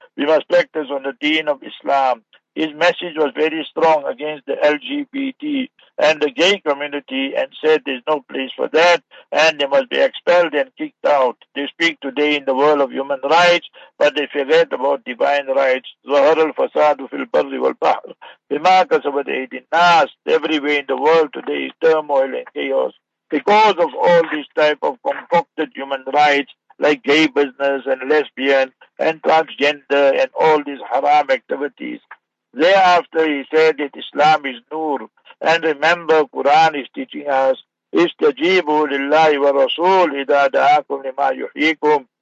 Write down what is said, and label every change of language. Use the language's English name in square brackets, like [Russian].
[English] We must practice on the deen of Islam. His message was very strong against the LGBT and the gay community and said there is no place for that and they must be expelled and kicked out. They speak today in the world of human rights, but they forget about divine rights. [Arabic] ظهر الفساد في البر والبحر بما كسبت أيدي الناس. [English] Everywhere in the world today is turmoil and chaos because of all these type of concocted human rights like gay business and lesbian and transgender and all these haram activities. Thereafter he said that Islam is Noor, and remember Quran is teaching us [Arabic] Istajibu lillahi wa rasul idha da'akum lima yuhyikum.